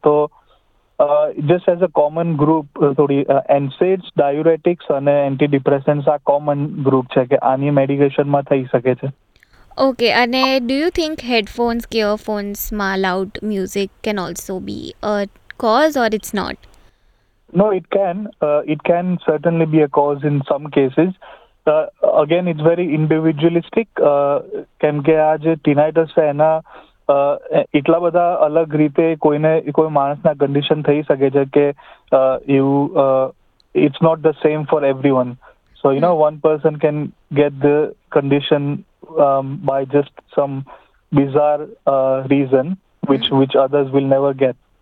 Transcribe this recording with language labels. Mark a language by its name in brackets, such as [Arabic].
[Gujarati] તો [English] just as a common group [Gujarati] થોડી એન્સેડ્સ, ડાયુરેટિક્સ અને એન્ટી ડિપ્રેશન્સ આ કોમન ગ્રુપ છે કે આની મેડિકેશનમાં થઈ શકે છે. [English] Okay, અને do you think headphones કે ઇયરફોન્સમાં loud music can also be a cause or it's not? No, it can. It can certainly be a cause in some cases. Again, it's very individualistic. [Gujarati] કેમ કે આ જે ટીનાઇટસ છે એના એટલા બધા અલગ રીતે કોઈને કોઈ માણસના કન્ડિશન થઈ શકે છે કે એવું [English] It's not the same for every one. So you know one person can get the condition by just some bizarre reason which others will never get.